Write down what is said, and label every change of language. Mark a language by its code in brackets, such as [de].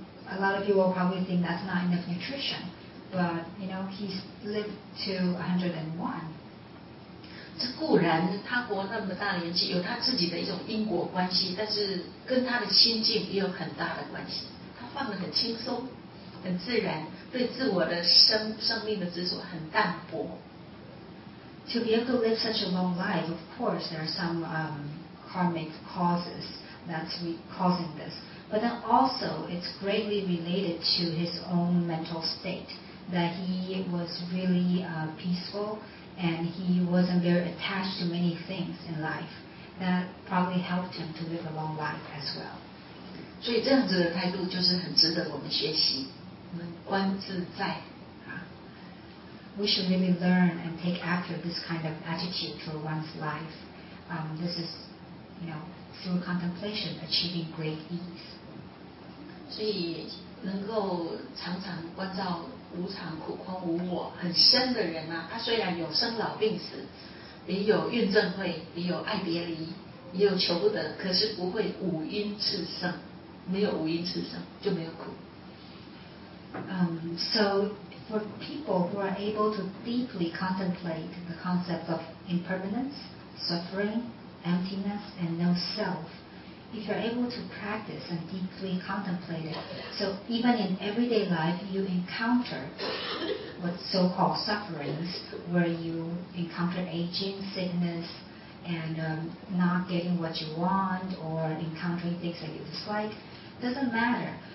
[en] A lot of people probably think that's not enough nutrition, but you know, he's lived to 101. [zh] 这固然他活那么大年纪，有他自己的一种因果关系，但是跟他的心境也有很大的关系。他放得很轻松，很自然，对自我的生命的执着很淡薄。 [en] To be able to live such a long life, of course, there are some karmic causes that's causing this. But then also, it's greatly related to his own mental state, that he was really peaceful, and he wasn't very attached to many things in life. That probably helped him to live a long life as well. [zh] 所以这样子的态度就是很值得我们学习，我们观自在。 [en] We should really learn and take after this kind of attitude for one's life. This is, you know, through contemplation, achieving great ease. [zh] 所以能够常常关照无常、苦空、无我很深的人啊，他虽然有生老病死，也有怨憎会，也有爱别离，也有求不得，可是不会五阴炽盛，没有五阴炽盛就没有苦。 [en] So for people who are able to deeply contemplate the concept of impermanence, suffering, emptiness, and no self. If you're able to practice and deeply contemplate it, so even in everyday life, you encounter what so-called sufferings, where you encounter aging, sickness, and not getting what you want, or encountering things that you dislike, doesn't matter.